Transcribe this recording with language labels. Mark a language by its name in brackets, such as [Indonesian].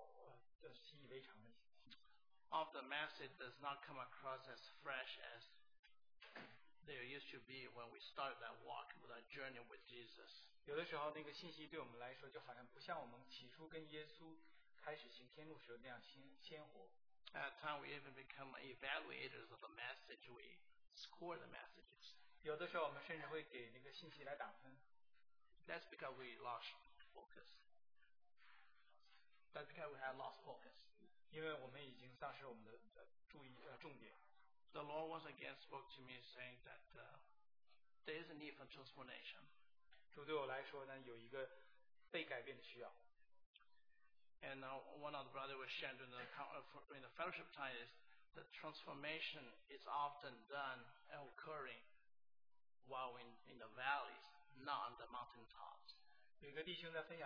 [Chinese] 对我来说，我成长在一个基督徒的家庭，一个属灵的环境当中，有的时候我们好像就有很老、习以为常的。 [English] Of the message does not come across as fresh as there used to be when we started that walk, that journey with Jesus. [Chinese] 有的时候，那个信息对我们来说，就好像不像我们起初跟耶稣开始行天路时候那样鲜活。 [English] At times, we even become evaluators of the message. We score the messages. [Chinese] 有的时候我们甚至会给那个信息来打分。 [English] That's because we lost focus. That's because we have lost focus. [Chinese] 因为我们已经丧失我们的注意重点。 [English] The Lord once again spoke to me saying that there is a need for transformation. [Chinese] 主对我来说呢，有一个被改变的需要。 [English] And now one of the brothers was sharing in the fellowship time is the transformation is often done and occurring while in the valleys, not on the mountain tops.